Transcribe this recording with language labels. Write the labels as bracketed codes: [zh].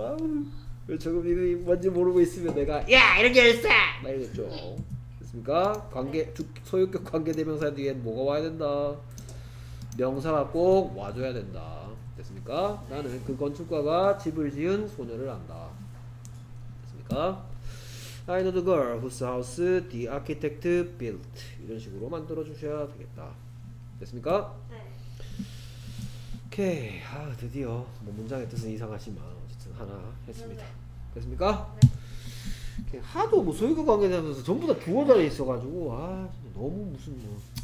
[ko] 아우, 조금 이게 뭔지 모르고 있으면 내가 야! 이런 게 있어! 막 이랬죠. 됐습니까? 관계, 소유격 관계대명사 뒤엔 뭐가 와야 된다? 명사가 꼭 와줘야 된다. 됐습니까? 나는 그 건축가가 집을 지은 소녀를 안다. 됐습니까? [en] I know the girl whose house the architect built. [ko] 이런 식으로 만들어 주셔야 되겠다. 됐습니까? 네. 오케이. 아, 드디어 뭐 문장의 뜻은 이상하지만 어쨌든 하나 했습니다. 네. 됐습니까? 네. 이렇게 하도 뭐 소유권 관계대명사 전부 다 두어 자리 있어가지고 아 진짜 너무 무슨 뭐.